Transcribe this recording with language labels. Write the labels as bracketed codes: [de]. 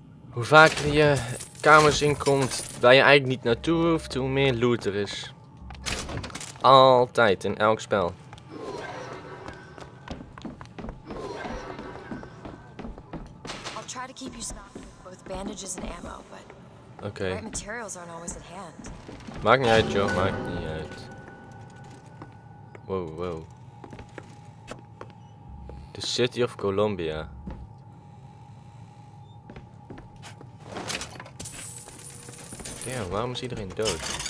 [nl] Hoe vaker je kamers inkomt waar je eigenlijk niet naartoe hoeft, hoe meer loot er is. Altijd, in elk spel. [en] I'll try to keep you stocked with both bandages and ammo, but okay. Right materials aren't always at hand. [nl] Maakt niet uit, Joe, maakt niet uit. Wow, wow. [en] The City of Columbia. [nl] Damn, waarom is iedereen dood?